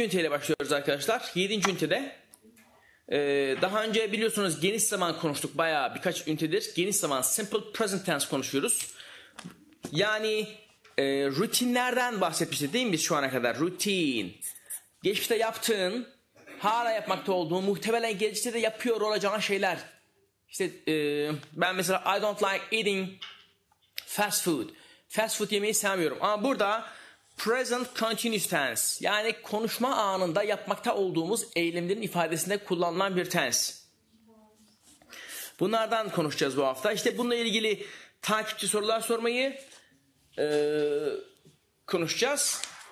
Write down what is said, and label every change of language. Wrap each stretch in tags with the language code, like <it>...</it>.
<tr>üniteyle başlıyoruz arkadaşlar. 7. ünitede daha önce biliyorsunuz geniş zaman konuştuk. Bayağı birkaç ünitedir. Geniş zaman simple present tense konuşuyoruz. Yani rutinlerden bahsetmiştik değil mi biz şu ana kadar? Rutin. Geçmişte yaptığın, hala yapmakta olduğun, muhtemelen gelecekte de yapıyor olacağın şeyler. İşte ben mesela</tr> <en>I don't like eating fast food.</en> <tr>Fast food yemeyi sevmiyorum. Ama burada present continuous tense. Yani konuşma anında yapmakta olduğumuz eylemlerin ifadesinde kullanılan bir tense. Bunlardan konuşacağız bu hafta. İşte bununla ilgili takipçi sorular sormayı konuşacağız.</tr>